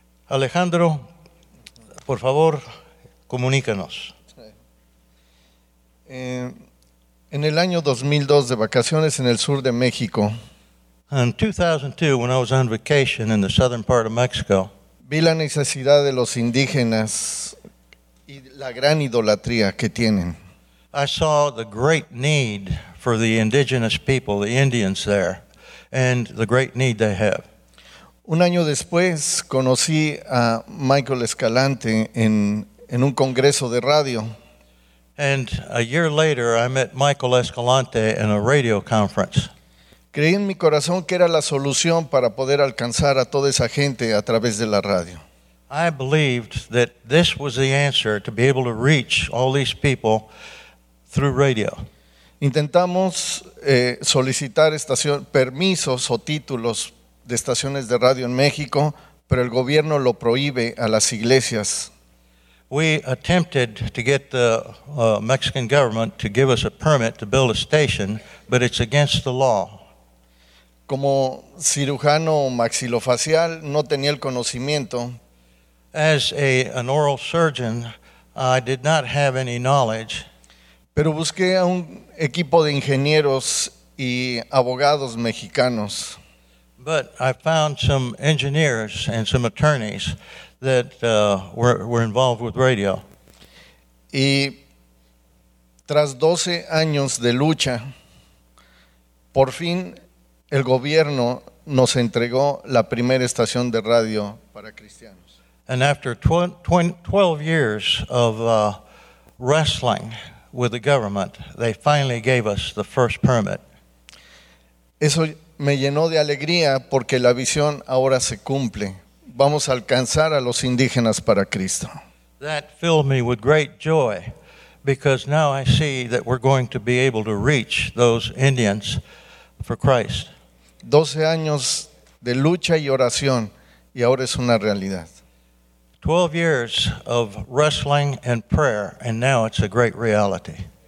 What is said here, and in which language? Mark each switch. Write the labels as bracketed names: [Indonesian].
[Spanish] Alejandro, por favor, comunícanos. En el año 2002, de vacaciones en el sur de México. [English] In 2002, when I was on vacation in the southern part of Mexico, [Spanish] vi la necesidad de los indígenas y la gran idolatría que tienen. [English] I saw the great need for the indigenous people, the Indians there, and the great need they have. [Spanish] Un año después, conocí a Michael Escalante en un congreso de radio. [English] And a year later, I met Michael Escalante in a radio conference. [Spanish] Creí en mi corazón que era la solución para poder alcanzar a toda esa gente a través de la radio. [English] I believed that this was the answer to be able to reach all these people through radio. [Spanish] Intentamos solicitar permisos o títulos de estaciones de radio en México, pero el gobierno lo prohíbe a las iglesias. [English] We attempted to get the Mexican government to give us a permit to build a station, but it's against the law. [Spanish] Como cirujano maxilofacial, no tenía el conocimiento. [English] As an oral surgeon, I did not have any knowledge. [Spanish] Pero busqué a un equipo de ingenieros y abogados mexicanos. [English] But I found some engineers and some attorneys that were involved with radio. [Spanish] Y tras 12 años de lucha, por fin el gobierno nos entregó la primera estación de radio para cristianos. [English] And after 12 years of wrestling with the government, they finally gave us the first permit. [Spanish] Eso me llenó de alegría porque la visión ahora se cumple. Vamos a alcanzar a los indígenas para Cristo. [English] That filled me with great joy because now I see that we're going to be able to reach those Indians for Christ. [Spanish] 12 años de lucha y oración y ahora es una realidad. [English] 12 years of wrestling and prayer and now it's a great reality.